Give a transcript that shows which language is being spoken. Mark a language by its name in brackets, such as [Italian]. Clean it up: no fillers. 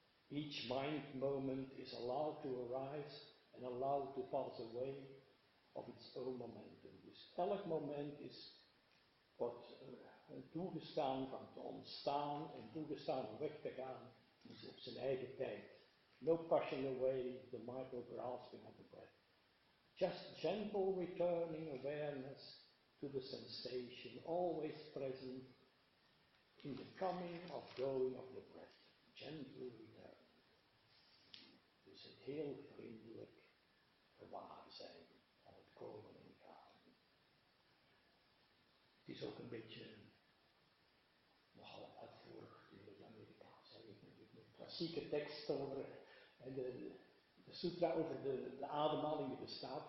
[English] Each mind moment is allowed to arise and allowed to pass away of its own momentum. [Dutch] Dus elk moment is wat toegestaan van te ontstaan en toegestaan om weg te gaan, is op zijn eigen tijd. [English] No pushing away the micro grasping of the breath. Just gentle returning awareness to the sensation, always present in the coming of going of the breath. Gently return. [Dutch] Dus een heel vriendelijk gewaar zijn aan het komen en gaan. Het is ook een beetje nogal uitvoerig in het Amerikaans. De klassieke tekst over de sutra over de ademhaling die bestaat.